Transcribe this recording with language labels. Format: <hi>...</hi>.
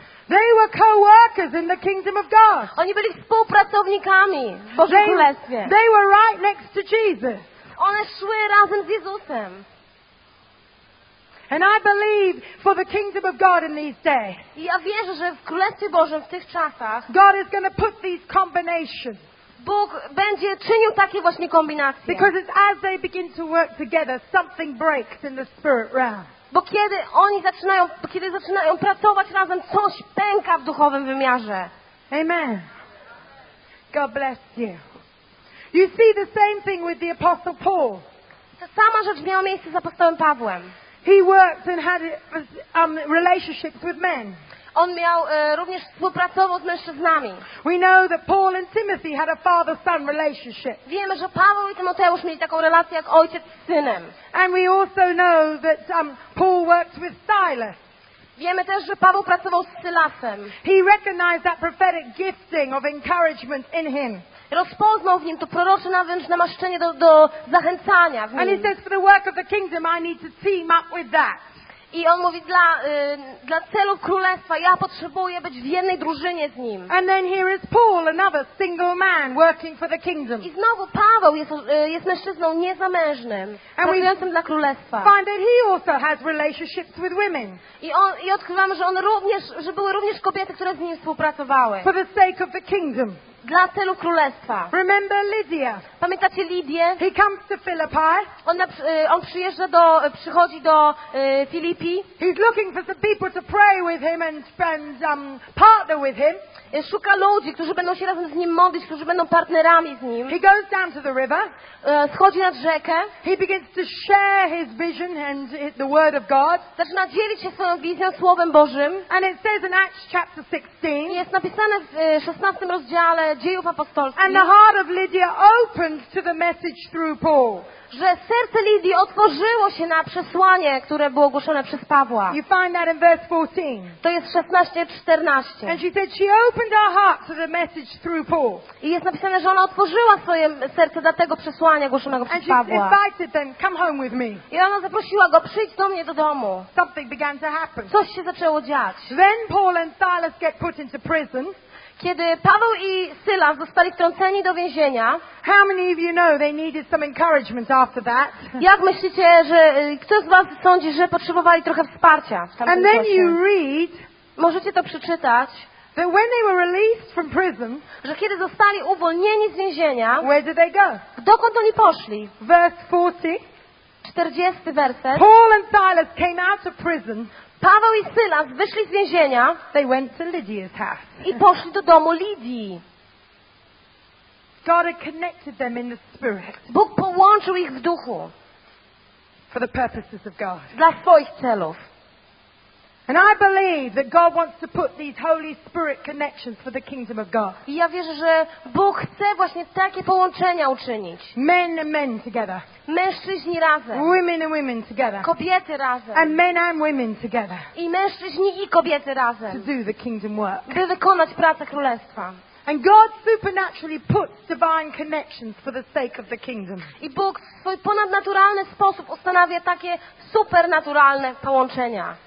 <en>They were co-workers in the kingdom of God.</en> <pl>Oni byli współpracownikami w Bożym Królestwie.</pl> <en>They were right next to Jesus.</en> <pl>One szły razem z Jezusem.</pl> <en>And I believe for the kingdom of God in these days.</en> <pl>Ja wierzę, że w Królestwie Bożym w tych czasach</pl> <en>God is going to put these combinations.</en> <pl>Bóg będzie czynił takie właśnie kombinacje.</pl> <en>Because it's as they begin to work together, something breaks in the spirit realm.</en> <pl>Bo kiedy oni zaczynają, pracować razem, coś pęka w duchowym wymiarze.</pl> <en>Amen. God bless you. You see the same thing with the apostle Paul.</en> <pl>Ta sama rzecz miała miejsce z apostołem Pawłem.</pl> <en>He worked and had relationships with men.</en> <pl>On miał również współpracował z mężczyznami.</pl> <en>We know that Paul and Timothy had a father-son relationship.</en> <pl>Wiemy, że Paweł i Tymoteusz mieli taką relację jak ojciec z synem.</pl> <en>And we also know that Paul worked with Silas.</en> <pl>Wiemy też, że Paweł pracował z Sylasem.</pl> <en>He recognized that prophetic gifting of encouragement in him.</en> <pl>Rozpoznał w nim to prorocze wręcz namaszczenie do zachęcania w nim.</pl> <en>And he says, for the work of the kingdom, I need to team up with that.</en> <pl>I on mówi, dla celów królestwa ja potrzebuję być w jednej drużynie z nim.</pl> <en>And then here is Paul, another single man working for the kingdom.</en> <pl>I znowu Paweł jest mężczyzną niezamężnym, pracującym dla królestwa.</pl> <en>Find that he also has relationships with women.</en> <pl>I odkrywamy, że on również, że były również kobiety, które z nim współpracowały.</pl> <en>For the sake of the kingdom.</en> <pl>Dla celu królestwa.</pl> <en>Remember Lydia.</en> <pl>Pamiętacie Lidię?</pl> <en>He comes to Philippi.</en> <pl>On przyjeżdża przychodzi do Filipii.</pl> <en>He's looking for some people to pray with him and spend partner with him.</en> <pl>Szuka ludzi, którzy będą się razem z nim modlić, którzy będą partnerami z nim.</pl> <en>He goes down to the river.</en> <pl>Schodzi nad rzekę.</pl> <en>He begins to share his vision and the word of God.</en> <pl>Zaczyna dzielić się swoją wizją słowem Bożym.</pl> <en>And it says in Acts chapter 16.</en> <pl>Jest napisane w 16 rozdziale Dziejów Apostolskich.</pl> <en>And the heart of Lydia opened to the message through Paul.</en> <pl>Że serce Lidii otworzyło się na przesłanie, które było głoszone przez Pawła.</pl> <en>You find that in verse 14.</en> <pl>To jest 16:14.</pl> <en>And she said she opened her heart to the message through Paul.</en> <pl>I jest napisane, że ona otworzyła swoje serce dla tego przesłania głoszonego przez Pawła.</pl> <en>And she invited them, come home with me.</en> <pl>I ona zaprosiła go, przyjdź do mnie do domu.</pl> <en>Something began to happen.</en> <pl>Coś się zaczęło dziać.</pl> <en>Then Paul and Silas get put into prison.</en> <pl>Kiedy Paweł i Sylas zostali wtrąceni do więzienia,</pl> <en>how many of you know they needed some encouragement after that?</en> <pl>Jak myślicie, że kto z was sądzi, że potrzebowali trochę wsparcia?</pl> <en>And then you read,</en> <pl>możecie to przeczytać,</pl> <en>that when they were released from prison,</en> <pl>że kiedy zostali uwolnieni z więzienia,</pl> <en>where did they go?</en> <pl>Dokąd oni poszli?</pl> <en>Verse 40.</en> <pl>40 werset.</pl> <en>Paul and Silas came out of prison.</en> <pl>Paweł i Sylas wyszli z więzienia.</pl> <en>They went to Lydia's house.</en> <pl>I poszli do domu Lidii.</pl> <en>God had connected them in the spirit.</en> <pl>Bóg połączył ich w duchu.</pl> <en>For the purposes of God.</en> <pl>Dla swoich celów.</pl> <en>And I believe that God wants to put these Holy Spirit connections for the kingdom of God.</en> <pl>I ja wierzę, że Bóg chce właśnie takie połączenia uczynić.</pl> <en>Men and men together.</en> <pl>Mężczyźni razem.</pl> <en>Women and women together.</en> <pl>Kobiety razem.</pl> <en>And men and women together.</en> <pl>I mężczyźni i kobiety razem.</pl> <en>To do the kingdom work.</en> <pl>By wykonać pracę królestwa.</pl> <en>And God supernaturally puts divine connections for the sake of the kingdom.</en> <pl>I Bóg w swój ponadnaturalny sposób ustanawia takie supernaturalne połączenia.</pl>